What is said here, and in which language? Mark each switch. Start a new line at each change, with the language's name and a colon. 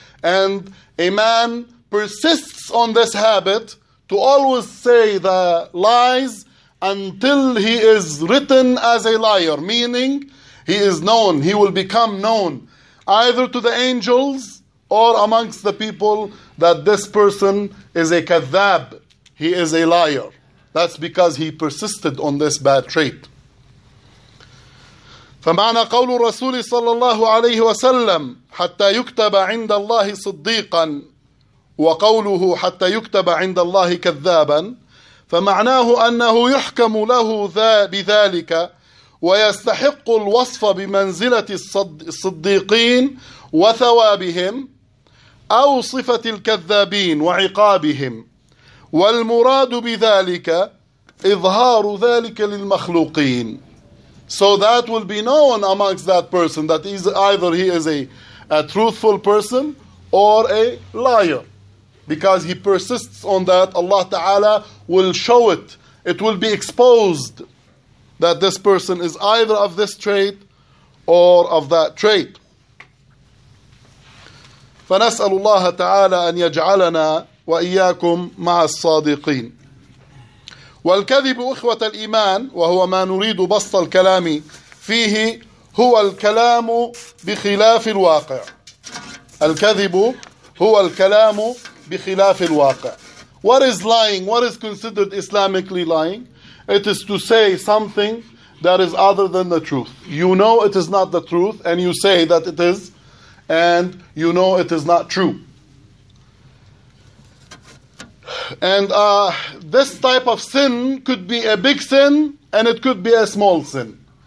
English: And a man persists on this habit to always say the lies until he is written as a liar, meaning he is known, he will become known either to the angels or amongst the people that this person is a kadhab, he is a liar. That's because he persisted on this bad trait.
Arabic: فمعنى قول الرسول صلى الله عليه وسلم حتى يكتب عند الله صديقا وقوله حتى يكتب عند الله كذابا فمعناه أنه يحكم له بذلك ويستحق الوصف بمنزلة الصديقين وثوابهم أو صفة الكذابين وعقابهم والمراد بذلك إظهار ذلك للمخلوقين.
English: So that will be known amongst that person that is either he is a truthful person or a liar. Because he persists on that, Allah Ta'ala will show it. It will be exposed that this person is either of this trait or of that trait.
Arabic: فنسأل الله تعالى أن يجعلنا وإياكم مع الصادقين. والكذب إخوة الإيمان وهو ما نريد بسط الكلام فيه هو الكلام بخلاف الواقع. الكذب هو الكلام بخلاف الواقع.
English: What is lying? What is considered Islamically lying? It is to say something that is other than the truth. You know it is not the truth and you say that it is and you know it is not true. And this type of sin could be a big sin and it could be a small sin.